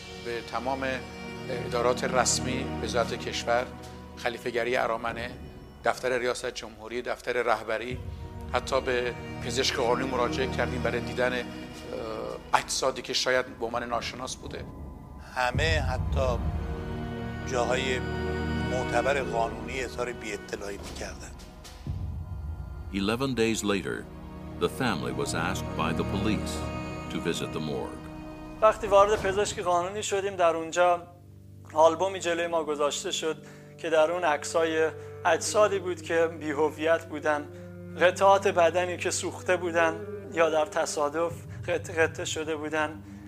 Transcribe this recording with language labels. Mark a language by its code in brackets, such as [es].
[fa] به تمام ادارات رسمی وزارت کشور، خلیفه‌گری ارامنه، دفتر ریاست جمهوری، دفتر رهبری، حتی به پزشک قانونی مراجعه کردیم برای دیدن اجسادی که شاید با من ناشناس بوده. همه حتی جاهای معتبر قانونی اظهار بی اطلاعی می‌کردند. [en] 11 days later, the family was asked by the police to visit the morgue. [fa] وقتی وارد پزشک قانونی شدیم در اونجا آلبومی جلوی ما گذاشته شد که در اون عکسای اجسادی بود که بی هویت بودن، قطعات بدنی که سوخته بودن یا در تصادف قطع شده بودن.